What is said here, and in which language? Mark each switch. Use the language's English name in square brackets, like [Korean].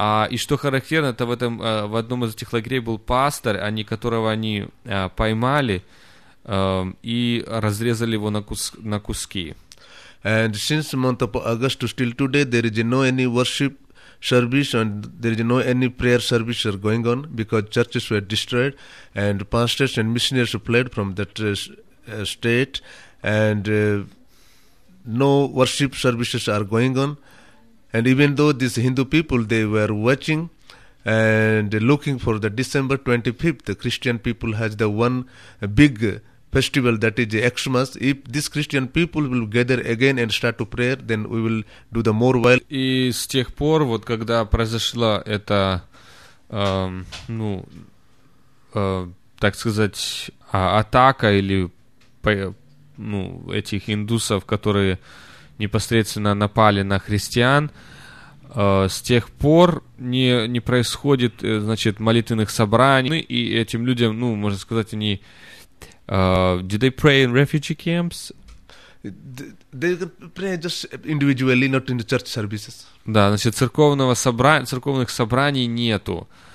[Russian] И что характерно, это в одном из этих лагерей был пастор, которого они поймали и разрезали его на куски. [English] And since the month of August to still today, there is no any worship service and there is no any prayer service are going on because churches were destroyed and pastors and missionaries fled from that state and no worship services are going on. And even though these Hindu people, they were watching and looking for the December 25th, Christian people has the one big festival, that is Xmas. If these Christian people will gather again and start to prayer, then we will do the more well. [Russian] И с тех пор, вот когда произошла эта, ну, так сказать, атака или, ну, этих индусов, которые непосредственно напали на христиан, с тех пор не происходит, значит, молитвенных собраний, и этим людям, ну, можно сказать, они... [English] do they pray in refugee camps? They pray just individually, not in the church services. [Russian] Да, значит, церковных собраний нету.